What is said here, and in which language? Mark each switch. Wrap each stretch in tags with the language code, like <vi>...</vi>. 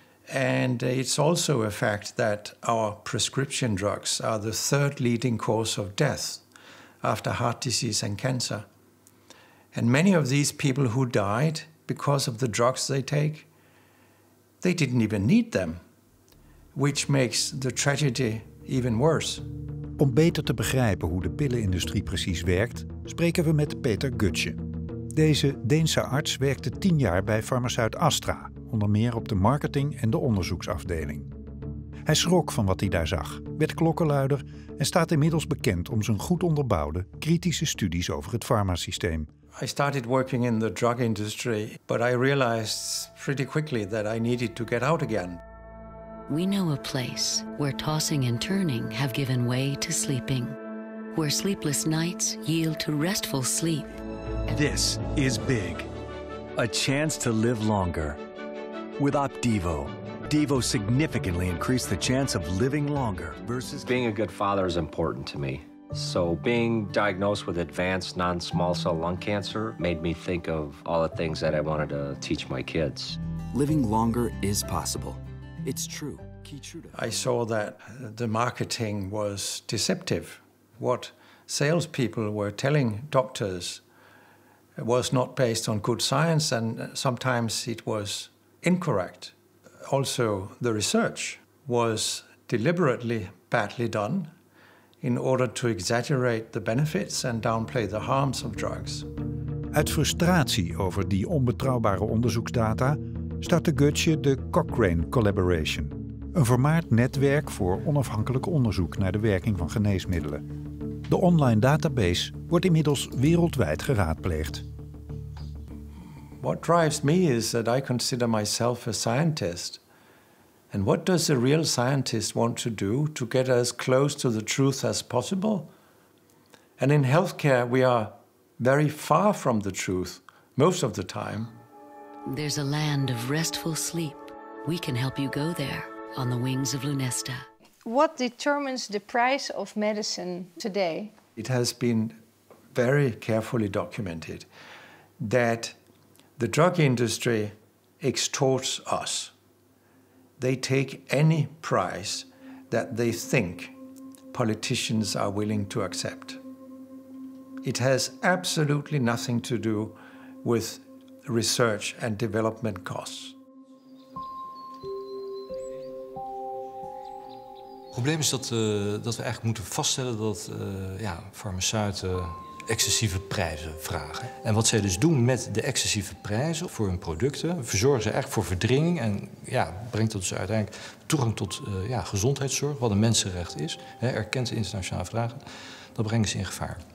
<en>And it's also a fact that our prescription drugs are the third leading cause of death after heart disease and cancer. And many of these people who died because of the drugs they take, they didn't even need them, which makes the tragedy even worse.</en> <nl>Om beter te begrijpen hoe de pillenindustrie precies werkt, spreken we met Peter Gutsche. Deze Deense arts werkte 10 jaar bij farmaceut Astra, onder meer op de marketing- en de onderzoeksafdeling. Hij schrok van wat hij daar zag, werd klokkenluider en staat inmiddels bekend om zijn goed onderbouwde, kritische studies over het farmasysteem.</nl> <en>I started working in the drug industry, but I realized pretty quickly that I needed to get out again. We know a place where tossing and turning have given way to sleeping, where sleepless nights yield to restful sleep. This is big, a chance to live longer. With Opdivo, Devo significantly increased the chance of living longer versus... Being a good father is important to me. So being diagnosed with advanced non-small cell lung cancer made me think of all the things that I wanted to teach my kids. Living longer is possible. It's true. Keytruda. I saw that the marketing was deceptive. What salespeople were telling doctors was not based on good science, and sometimes it was incorrect. Also, the research was deliberately badly done in order to exaggerate the benefits and downplay the harms of drugs.</en> <nl>Uit frustratie over die onbetrouwbare onderzoeksdata startte Gutsche de Cochrane Collaboration, een vermaard netwerk voor onafhankelijk onderzoek naar de werking van geneesmiddelen. De online database wordt inmiddels wereldwijd geraadpleegd.</nl> <en>What drives me is that I consider myself a scientist. And what does a real scientist want to do to get as close to the truth as possible? And in healthcare, we are very far from the truth most of the time. There's a land of restful sleep. We can help you go there on the wings of Lunesta. What determines the price of medicine today? it has been very carefully documented that the drug industry extorts us. They take any price that they think politicians are willing to accept. It has absolutely nothing to do with research and development costs.</en> <nl>Het probleem is dat we eigenlijk moeten vaststellen dat farmaceuten excessieve prijzen vragen. En wat zij dus doen met de excessieve prijzen voor hun producten, verzorgen ze eigenlijk voor verdringing en brengt dat dus uiteindelijk toegang tot gezondheidszorg, wat een mensenrecht is, erkend internationale verdragen, dat brengen ze in gevaar.</nl>